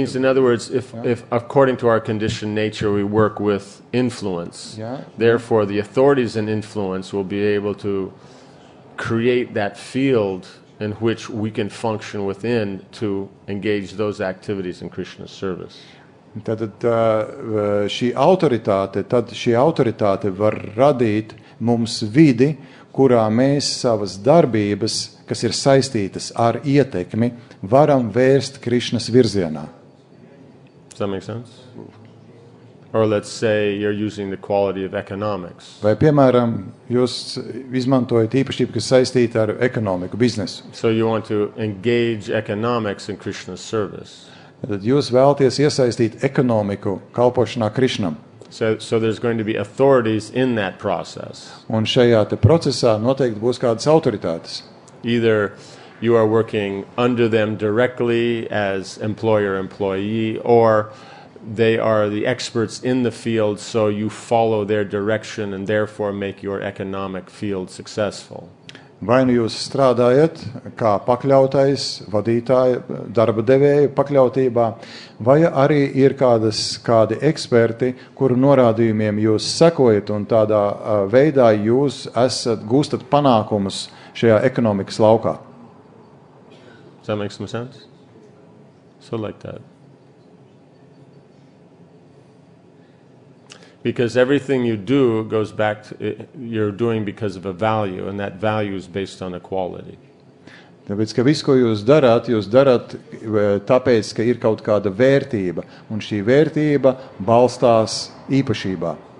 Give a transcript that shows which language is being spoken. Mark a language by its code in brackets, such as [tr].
[en] Means, in other words, if according to our conditioned nature, we work with influence, therefore the authorities and influence will be able to create that field in which we can function within to engage those activities in Krishna's service. [lv] Tad šī autoritāte var radīt mums vidi, kurā mēs savas darbības, kas ir saistītas ar ietekmi, varam vērst Krišnas virzienā. [en] Does that make sense? Or let's say you're using the quality of economics. [lv] Vai, piemēram, jūs izmantojat īpašību, kas saistīta ar ekonomiku, biznesu. [en] So you want to engage economics in Krishna's service. [lv] Tad jūs vēlaties iesaistīt ekonomiku kalpošanā Krišnam. [en] So there's going to be authorities in that process. [lv] Un šajā te procesā noteikti būs kādas autoritātes. [en] Either you are working under them directly as employer-employee, or they are the experts in the field, so you follow their direction and therefore make your economic field successful. [lv] Vai nu jūs strādājat kā pakļautais, vadītāji, darba devēju pakļautībā, vai arī ir kādi eksperti, kuru norādījumiem jūs sekojat un tādā veidā jūs gūstat panākumus šajā ekonomikas laukā? [en] Does that make some sense? So like that. Because everything you do goes back to you're doing because of a value, and that value is based on a quality. [lv] Tāpēc, ka visu, ko jūs darāt tāpēc, ka ir kaut kāda vērtība, un šī vērtība balstās īpašībā.